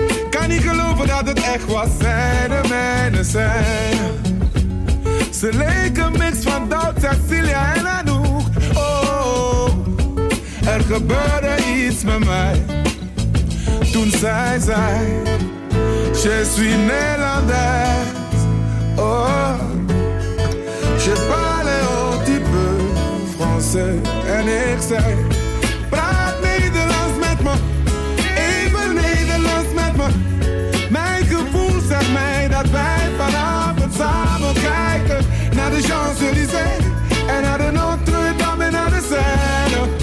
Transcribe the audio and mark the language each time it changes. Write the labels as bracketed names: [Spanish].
[Dutch] Kan niet geloven dat het echt was. Zij de mijne zijn. Ze leek een mix van Duits, Cecilia en Anouk. Oh, oh, oh, er gebeurde iets met mij. Toen zij zei, [French] je suis Nederlander. Oh, je parle un petit peu français. [Dutch] En ik zei, praat Nederlands met me, even Nederlands met me. Mijn gevoel zegt mij dat wij vanavond samen kijken naar de Champs-Élysées en naar de Notre-Dame en naar de Seine.